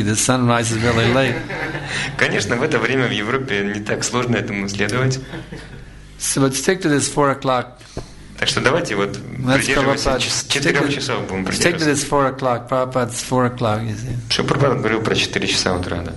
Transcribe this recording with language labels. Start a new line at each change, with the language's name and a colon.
Russian: Конечно, в это время в Европе не так сложно этому следовать.
English: So, but stick to this 4 o'clock.
Russian: Так что давайте вот придерживаться 4 часов будем придерживаться. Что Прабхупада говорил про 4 часа утра, да?